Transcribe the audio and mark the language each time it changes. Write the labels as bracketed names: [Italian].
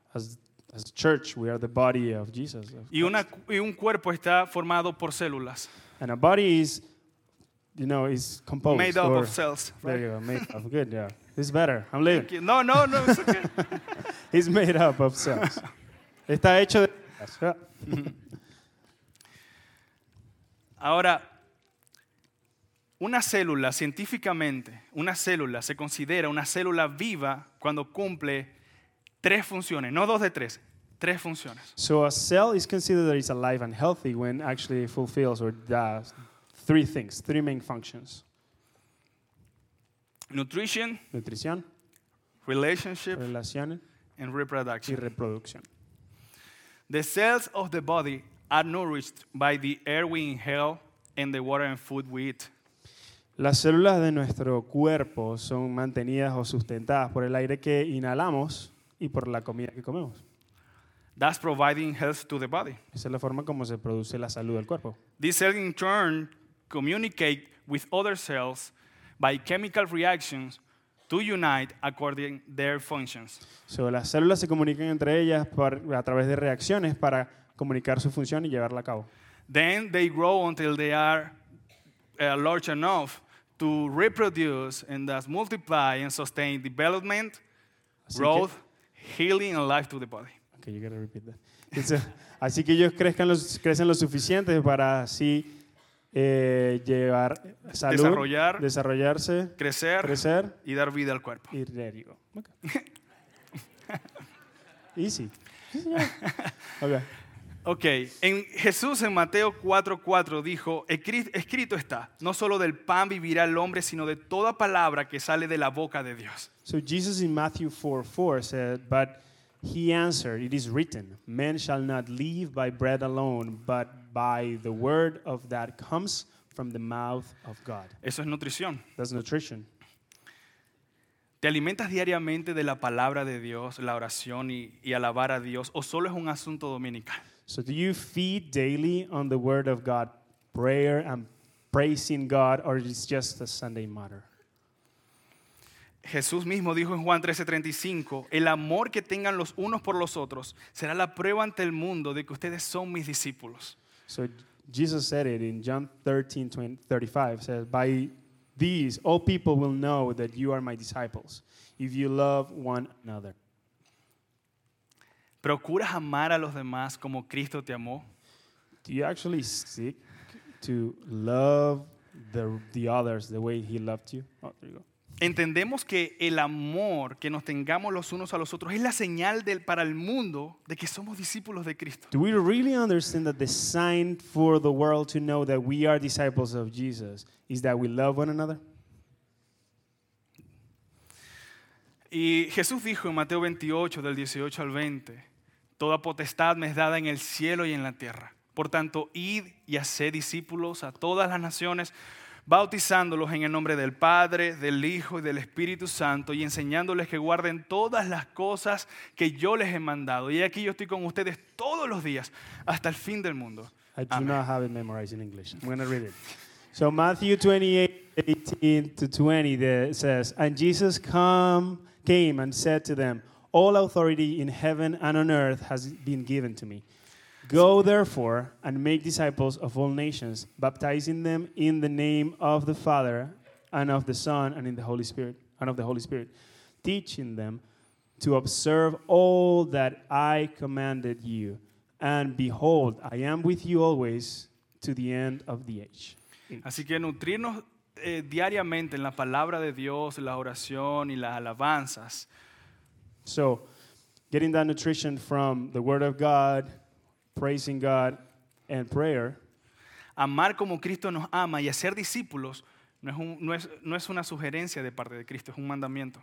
[English] As a church, we are the body of Jesus. Of [Spanish] y una y un cuerpo está formado por células. [English] And a body is, you know, is composed. Made up of cells. There right? You go. Made up. Good. Yeah. It's better. I'm leaving. No. It's okay. It's made up of cells. [Spanish] Está hecho de. Ahora. Una célula, científicamente, una célula se considera una célula viva cuando cumple tres funciones, no dos de tres, tres funciones. [English] So a cell is considered that it's alive and healthy when actually it fulfills or does three things, three main functions. Nutrition. [Spanish] Nutrición. [English] Relationship. [Spanish] Relaciones. [English] And reproduction. [Spanish] Y reproducción. [English] The cells of the body are nourished by the air we inhale and the water and food we eat. [Spanish] Las células de nuestro cuerpo son mantenidas o sustentadas por el aire que inhalamos y por la comida que comemos. [English] That's providing health to the body. [Spanish] Esa es la forma como se produce la salud del cuerpo. [English] These cells in turn communicate with other cells by chemical reactions to unite according their functions. [Spanish] So, las células se comunican entre ellas a través de reacciones para comunicar su función y llevarla a cabo. [English] Then they grow until they are large enough to reproduce and thus multiply and sustain development, growth, healing, and life to the body. Okay, you gotta repeat that. [Spanish] So, así que ellos crecen lo suficiente para así llevar salud, desarrollarse, crecer, y dar vida al cuerpo. [English] Y there you go. Okay. Easy. Okay. [Spanish] Okay, en Jesús en Mateo 4:4 dijo, escrito está, no solo del pan vivirá el hombre, sino de toda palabra que sale de la boca de Dios. [English] So Jesus in Matthew 4:4 said, but he answered, it is written, man shall not live by bread alone, but by the word of that comes from the mouth of God. [Spanish] Eso es nutrición. [English] That's nutrition. [Spanish] ¿Te alimentas diariamente de la palabra de Dios, la oración y alabar a Dios, o solo es un asunto dominical? [English] So do you feed daily on the word of God, prayer and praising God, or is it just a Sunday matter? [Spanish] Jesús mismo dijo en Juan 13:35, el amor que tengan los unos por los otros será la prueba ante el mundo de que ustedes son mis discípulos. [English] So Jesus said it in John 13:35, says, by these all people will know that you are my disciples, if you love one another. [Spanish] ¿Procuras amar a los demás como Cristo te amó? [English] Do you actually seek to love the others the way he loved you? Oh, there you go. [Spanish] Entendemos que el amor que nos tengamos los unos a los otros es la señal para el mundo de que somos discípulos de Cristo. [English] Do we really understand that the sign for the world to know that we are disciples of Jesus is that we love one another? [Spanish] Y Jesús dijo en Mateo 28, del 18 al 20, toda potestad me es dada en el cielo y en la tierra. Por tanto, id y haced discípulos a todas las naciones, bautizándolos en el nombre del Padre, del Hijo y del Espíritu Santo, y enseñándoles que guarden todas las cosas que yo les he mandado. Y aquí yo estoy con ustedes todos los días hasta el fin del mundo. [English] I do not have it memorized in English. I'm going to read it. So Matthew 28:18-20 says, "And Jesus came and said to them, 'All authority in heaven and on earth has been given to me. Go, therefore, and make disciples of all nations, baptizing them in the name of the Father and of the Son and in the Holy Spirit, and of the Holy Spirit, teaching them to observe all that I commanded you. And behold, I am with you always to the end of the age.'" [Spanish] Así que nutrirnos diariamente en la palabra de Dios, la oración y las alabanzas. [English] So, getting that nutrition from the Word of God, praising God, and prayer. [Spanish] Amar como Cristo nos ama y hacer discípulos no es una sugerencia de parte de Cristo, es un mandamiento.